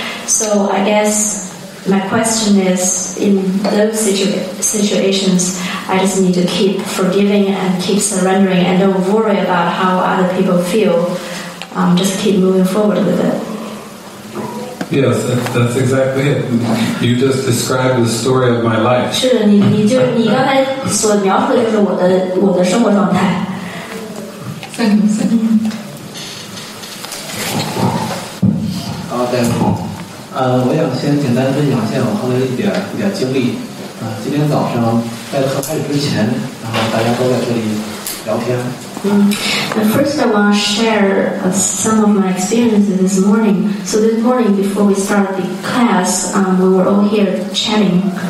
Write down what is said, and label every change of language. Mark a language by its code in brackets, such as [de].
[en] So I guess my question is, in those situations, I just need to keep forgiving and keep surrendering and don't worry about how other people feel. Just keep moving forward with it. Yes, that's exactly it. You just described the story of my life. [zh] 是的，你就你刚才所描述的就是我的生活状态。好，大家好。我想先简单分享一下我后来的一点经历。今天早上在课开始之前，然后大家都在这里聊天。 [en] First, I want to share some of my experiences this morning. So this morning, before we start the class, we were all here chatting.